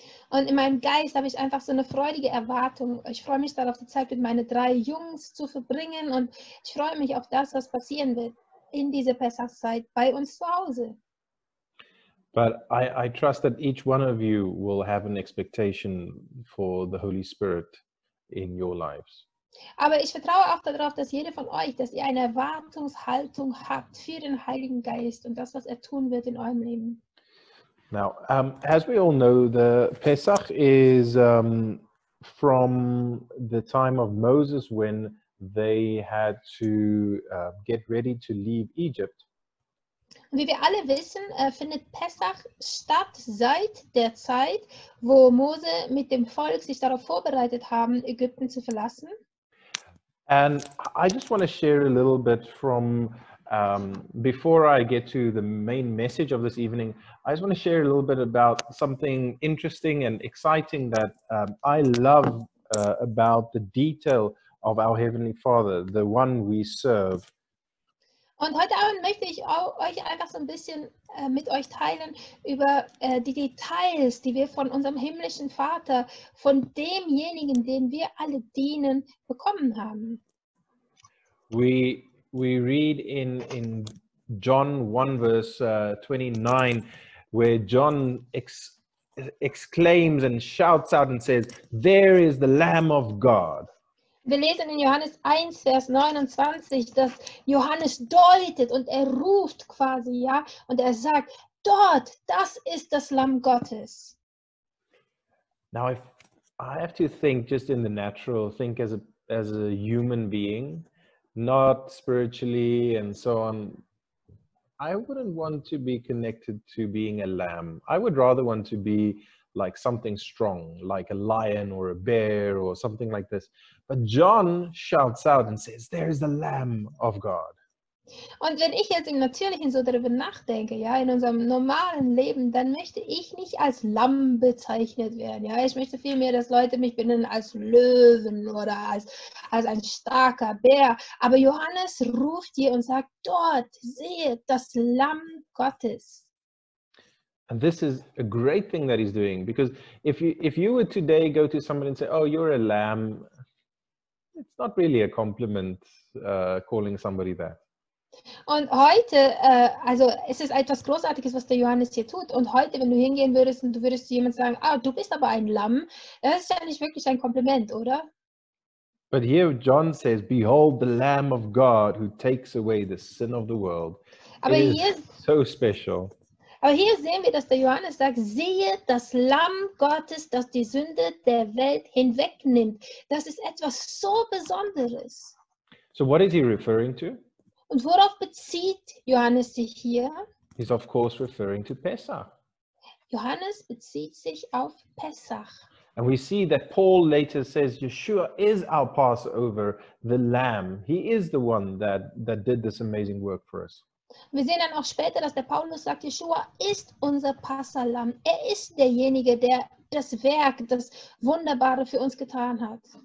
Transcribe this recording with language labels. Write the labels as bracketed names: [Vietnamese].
[German] Und in meinem Geist habe ich einfach so eine freudige Erwartung. Ich freue mich darauf, die Zeit mit meinen 3 Jungs zu verbringen und ich freue mich auf das, was passieren wird in dieser Pessachzeit bei uns zu Hause. [English] But I trust that each one of you will have an expectation for the Holy Spirit in your lives. [German] Aber ich vertraue auch darauf, dass jeder von euch, dass ihr eine Erwartungshaltung habt für den Heiligen Geist und das, was er tun wird in eurem Leben. [English] Now, as we all know, the Pesach is from the time of Moses when they had to get ready to leave Egypt. [German] Wie wir alle wissen, findet Pessach statt seit der Zeit, wo Mose mit dem Volk sich darauf vorbereitet haben, Ägypten zu verlassen. [English] And I just want to share a little bit from before I get to the main message of this evening. I just want to share a little bit about something interesting and exciting that I love about the detail of our Heavenly Father, the one we serve. [German] Und heute Abend möchte ich euch einfach so ein bisschen mit euch teilen über die Details, die wir von unserem himmlischen Vater, von demjenigen, den wir alle dienen, bekommen haben. [English] We read in John 1 verse 29, where John exclaims and shouts out and says, "There is the Lamb of God." [German] Wir lesen in Johannes 1, Vers 29, dass Johannes deutet und er ruft quasi, ja, und er sagt, dort, das ist das Lamm Gottes. [English] Now, if I have to think just in the natural, think as a human being, not spiritually and so on, I wouldn't want to be connected to being a lamb. I would rather want to be like something strong, like a lion or a bear or something like this. But John shouts out and says, "There is the Lamb of God." [German] Und wenn ich jetzt im Natürlichen so darüber nachdenke, ja, in unserem normalen Leben, dann möchte ich nicht als Lamm bezeichnet werden. Ja, ich möchte vielmehr, dass Leute mich benennen als Löwen oder als ein starker Bär. Aber Johannes ruft dir und sagt, dort sehe das Lamm Gottes. [English] And this is a great thing that he's doing, because if you were today go to somebody and say, "Oh, you're a lamb," it's not really a compliment, calling somebody that. [German] Und heute, also es ist etwas Großartiges, was der Johannes hier tut. Und heute, wenn du hingehen würdest und du würdest jemand sagen, ah, du bist aber ein Lamm, das ist ja nicht wirklich ein Kompliment, oder? [English] But here John says, behold the Lamb of God who takes away the sin of the world. [German] Aber hier, [English] it is so special. [German] Aber hier sehen wir, dass der Johannes sagt, siehe das Lamm Gottes, das die Sünde der Welt hinwegnimmt. Das ist etwas so Besonderes. [English] So what is he referring to? [German] Und worauf bezieht Johannes sich hier? [English] He's of course referring to Pesach. [German] Johannes bezieht sich auf Pesach. [English] And we see that Paul later says Yeshua is our Passover, the Lamb. He is the one that did this amazing work for us. [German] Wir sehen dann auch später, dass der Paulus sagt, Yeshua ist unser Passahlamm. Er ist derjenige, der das Werk, das Wunderbare für uns getan hat.